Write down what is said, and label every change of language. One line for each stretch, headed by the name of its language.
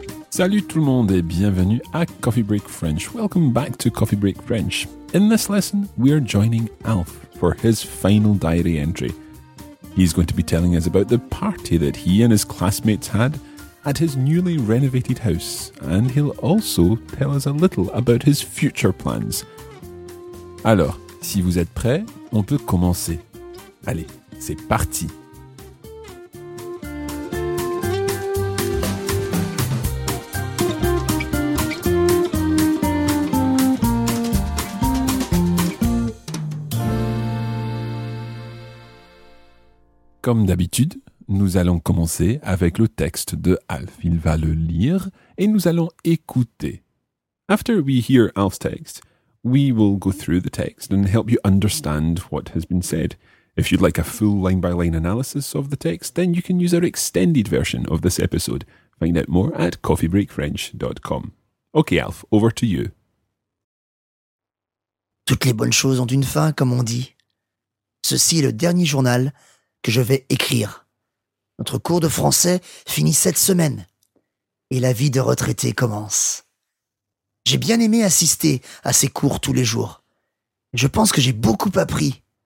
French: Salut tout le monde et bienvenue à Coffee Break French.
English: Welcome back to Coffee Break French. In this lesson, we are joining Alf for his final diary entry. He's going to be telling us about the party that he and his classmates had at his newly renovated house, and he'll also tell us a little about his future plans.
French: Alors, si vous êtes prêts, on peut commencer. Allez, c'est parti! Comme d'habitude, nous allons commencer avec le texte de Alf. Il va le lire et nous allons écouter.
English: After we hear Alf's text, we will go through the text and help you understand what has been said. If you'd like a full line-by-line analysis of the text, then you can use our extended version of this episode. Find out more at coffeebreakfrench.com. Okay, Alf, over to you.
French: Toutes les bonnes choses ont une fin, comme on dit. Ceci est le dernier journal que je vais écrire. Notre cours de français finit cette semaine et la vie de retraité commence. J'ai bien aimé assister à ces cours tous les jours. Je pense que j'ai beaucoup appris.